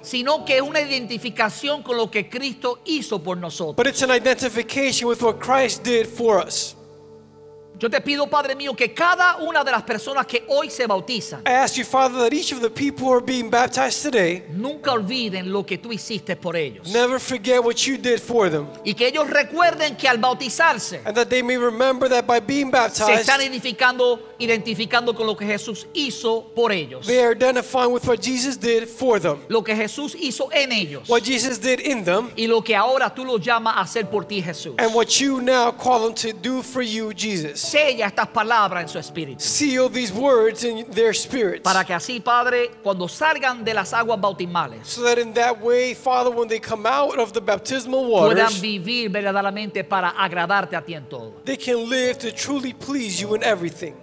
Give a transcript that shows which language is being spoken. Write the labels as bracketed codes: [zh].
[es] Sino que es una identificación con lo que Cristo hizo por nosotros. [en] But it's an identification with what Christ did for us. [es] Yo te pido, Padre mío, que cada una de las personas que hoy se bautizan. [en] I ask you, Father, that each of the people who are being baptized today. [es] Nunca olviden lo que tú hiciste por ellos. [en] Never forget what you did for them. [es] Y que ellos recuerden que al bautizarse. [en] And that they may remember that by being baptized. [es] Se están identificando con lo que Jesús hizo por ellos. [en] They are identifying with what Jesus did for them. [es] Lo que Jesús hizo en ellos. [en] What Jesus did in them. [es] Y lo que ahora tú los llamas a hacer por ti, Jesús. [en] And what you now call them to do for you, Jesus. [es] Sella estas palabras en su espíritu. [en] Seal these words in their spirits. [es] Para que así, Padre, cuando salgan de las aguas bautismales. [en] So that in that way, Father, when they come out of the baptismal waters. [es] Puedan vivir verdaderamente para agradarte a ti en todo. [en] They can live to truly please you in everything.